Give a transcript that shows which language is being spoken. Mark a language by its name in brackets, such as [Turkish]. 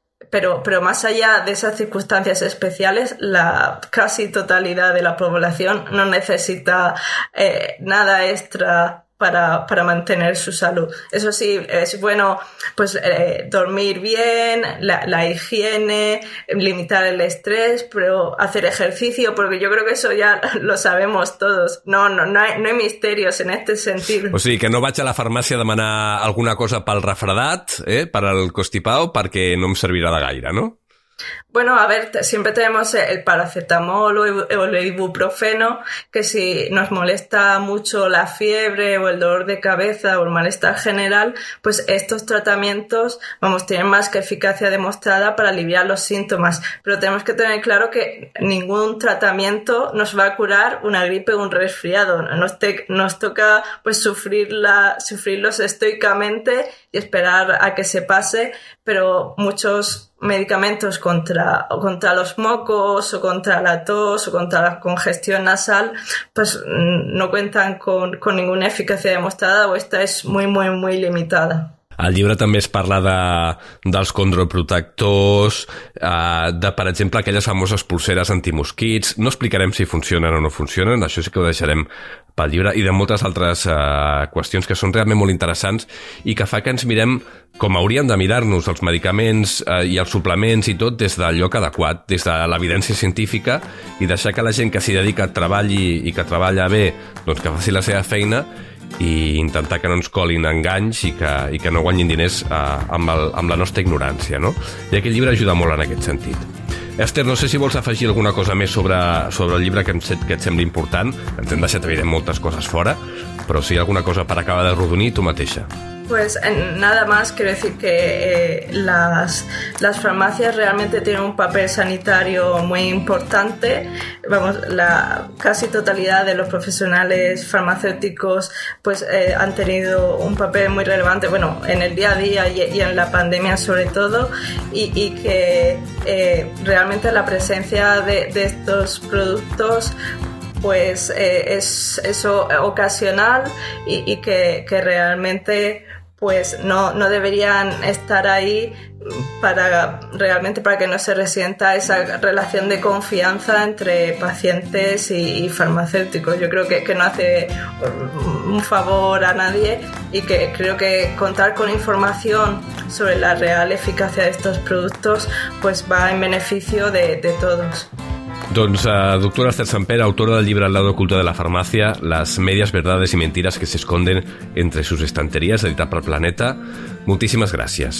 [Spanish] Pero más allá de esas circunstancias especiales, la casi totalidad de la población no necesita nada extra para mantener su salud. Eso sí, es bueno pues dormir bien, la higiene, limitar el estrés, pero hacer ejercicio, porque yo creo que eso ya lo sabemos todos. No hay misterios en este sentido. [Catalan] O sigui, que no vaig a la farmàcia a demanar alguna cosa pel refredat, per al constipado, perquè no em servirà de gaire, no? [Spanish] Bueno, a ver, siempre tenemos el paracetamol o el ibuprofeno, que si nos molesta mucho la fiebre o el dolor de cabeza o el malestar general, pues estos tratamientos, vamos, tienen más que eficacia demostrada para aliviar los síntomas. Pero tenemos que tener claro que ningún tratamiento nos va a curar una gripe o un resfriado. Nos toca pues sufrirlos estoicamente y esperar a que se pase, pero muchos medicamentos contra los mocos o contra la tos o contra la congestión nasal pues no cuentan con ninguna eficacia demostrada o esta es muy muy muy limitada. [Catalan] Al llibre també es parla dels condroprotectors, de, per exemple, aquelles famoses polseres antimosquits. No explicarem si funcionen o no funcionen, això sí que ho deixarem pel llibre, i de moltes altres qüestions que són realment molt interessants i que fa que ens mirem com hauríem de mirar-nos els medicaments i els suplements i tot des del lloc adequat, des de l'evidència científica, i deixar que la gent que s'hi dedica treballi i que treballa bé, doncs que faci la seva feina, i intentar que no ens colin enganys i que no guanyin diners amb la nostra ignorància, no? I aquest llibre ajuda molt en aquest sentit. Esther, no sé si vols afegir alguna cosa més sobre el llibre que et sembli important. Ens hem deixat, evident, moltes coses fora, però si hi ha alguna cosa per acabar de rodonir, tu mateixa. [Spanish] Pues nada más, quiero decir que las farmacias realmente tienen un papel sanitario muy importante. Vamos, la casi totalidad de los profesionales farmacéuticos pues han tenido un papel muy relevante, bueno, en el día a día y en la pandemia sobre todo, y que realmente la presencia de estos productos pues es ocasional y que realmente pues no deberían estar ahí para que no se resienta esa relación de confianza entre pacientes y farmacéuticos. Yo creo que no hace un favor a nadie y que creo que contar con información sobre la real eficacia de estos productos pues va en beneficio de todos. [Catalan] Doncs, doctora Esther Samper, autora del llibre El lado oculto de la farmàcia, Les medias verdades i mentides que s'esconden entre sus estanterías, editat per Planeta, moltíssimes gràcies.